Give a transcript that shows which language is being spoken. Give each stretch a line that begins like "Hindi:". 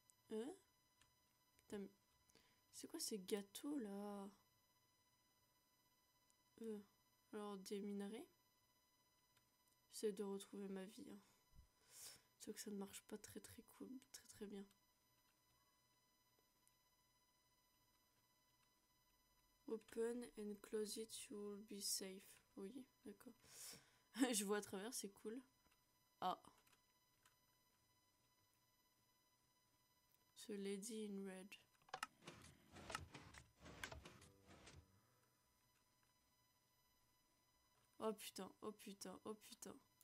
French: Hein? Putain, mais... C'est quoi ces gâteaux là? Alors, des minerais. J'essaie de retrouver ma vie. Hein. Sauf que ça ne marche pas très très cool, très très bien.
English: Open and close it, you will be safe.
French: Oui, d'accord. Je vois à travers, c'est cool. Ah.
English: Ce lady in red.
French: Oh putain, oh putain, oh putain.